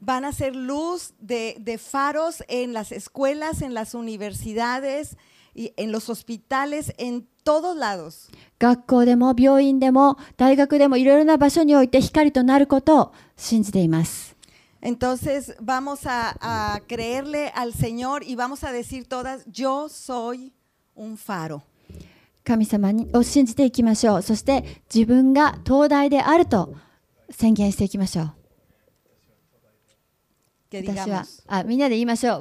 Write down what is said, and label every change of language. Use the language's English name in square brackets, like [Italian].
[Spanish] van a ser luz de faros en las escuelas, en las universidades,Y en los hospitales, en todos lados. [Japanese] 学校でも病院でも大学でもいろいろな場所において光となることを信じています。 [Spanish] Entonces vamos a creerle al Señor y vamos a decir todas, yo soy un faro. [Japanese] 神様を信じていきましょう。そして自分が灯台であると宣言していきましょう。私はみんなで言いましょう。